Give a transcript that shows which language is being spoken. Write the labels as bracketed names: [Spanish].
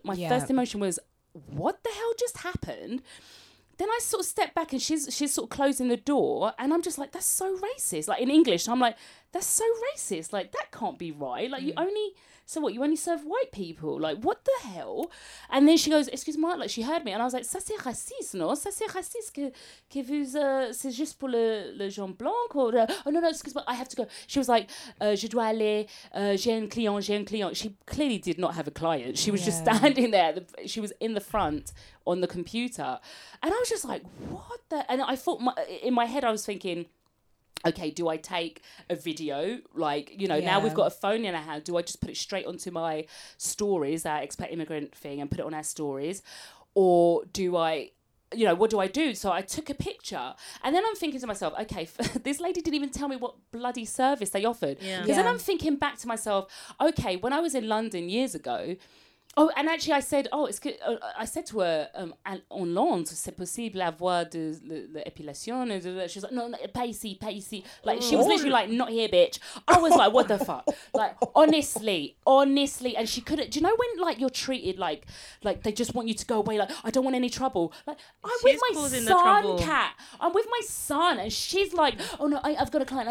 [English] My first emotion was, what the hell just happened? Then I sort of step back and she's sort of closing the door and I'm just like, that's so racist. Like in English, I'm like, that's so racist. Like that can't be right. Like you only serve white people? Like what the hell? And then she goes, excuse me, like she heard me. And I was like, [French] ça c'est raciste, non? Ça c'est raciste que vous, c'est juste pour le gens blanc? [English] Or, oh no, excuse me, I have to go. She was like, [French] je dois aller, j'ai un client. [English] She clearly did not have a client. She was just standing there. She was in the front on the computer. And I was just like, what the? And I thought, in my head, I was thinking, okay, do I take a video? Like, you know, now we've got a phone in our hand. Do I just put it straight onto my stories, that expat immigrant thing, and put it on our stories? Or do I, you know, what do I do? So I took a picture. And then I'm thinking to myself, okay, this lady didn't even tell me what bloody service they offered. Because then I'm thinking back to myself, okay, when I was in London years ago, oh, and actually I said, oh, it's good. [French] I said to her, en Londres, c'est possible avoir de l'épilation? [English] She was like, no, [French] pas ici. [English] Like, she was literally like, not here, bitch. I was like, what the fuck? Like, honestly. And she couldn't, do you know when, like, you're treated like they just want you to go away, like, I don't want any trouble. Like, I'm with my son, and she's like, oh, no, I've got a client.